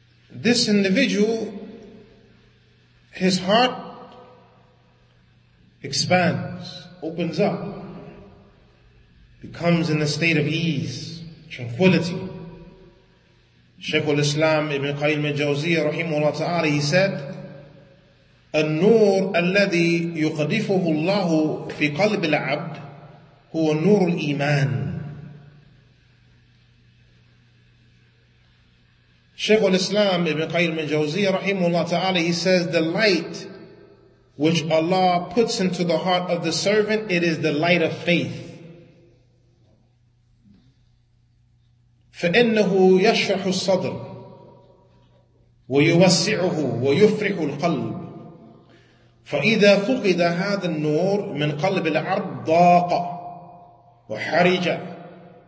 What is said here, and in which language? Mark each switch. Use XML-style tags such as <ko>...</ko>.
<en>this individual, his heart expands, opens up, becomes in a state of ease, tranquility. Shaykh al-Islam ibn Qayyim al-Jawziyyah rahimahullah ta'ala, he said,</en> <ar>النور الذي يقذفه الله في قلب العبد هو نور الإيمان.</ar> <en>Shaykh al-Islam ibn Qayyim al-Jawziyyah rahimahullah ta'ala, he says, the light which Allah puts into the heart of the servant, it is the light of faith.</en> <ar>فَإِنَّهُ يَشْرَحُ الصَّدْرُ وَيُوَسِّعُهُ وَيُفْرِحُ الْقَلْبُ فَإِذَا فُقِدَ هَذَا النُّورُ مِنْ قَلْبِ الْعَرْضَ ضَاقَ وَحَرِجَ</ar>